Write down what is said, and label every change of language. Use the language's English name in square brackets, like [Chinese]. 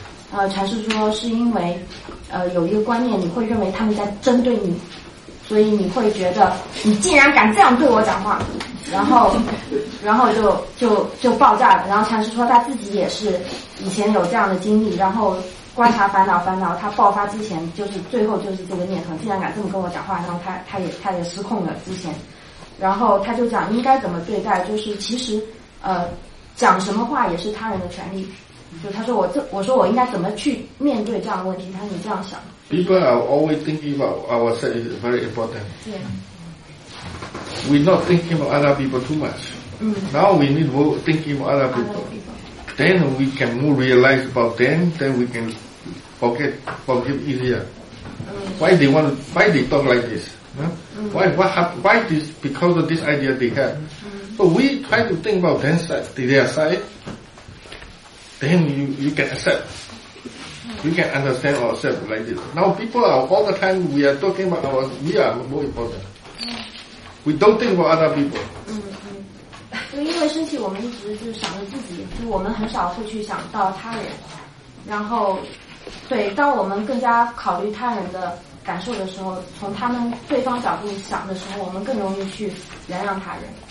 [Chinese] 禅师说是因为有一个观念，你会认为他们在针对你，所以你会觉得你竟然敢这样对我讲话，然后就爆炸了。然后禅师说他自己也是以前有这样的经历，然后观察烦恼，他爆发之前就是最后就是这个念头，竟然敢这么跟我讲话，然后他也失控了之前。然后他就讲应该怎么对待，就是其实讲什么话也是他人的权利。就他说我说我应该怎么去面对这样的问题，他说你这样想。 [English] People are always thinking about ourselves is very important. Yeah. We not thinking about other people too much. Now we need to thinking about other people. Then we can more realize about them, then we can forgive easier. Why they want, why they talk like this? Why, what happened, why this, because of this idea they have? So we try to think about them side, their side, then you can accept. You can understand ourselves like this. Now people are all the time, we are talking about ourselves, we are more important. We don't think about other people. [Chinese] 就因为生气，我们一直就是想着自己，就我们很少会去想到他人。然后，对，当我们更加考虑他人的感受的时候，从他们对方角度想的时候，我们更容易去原谅他人。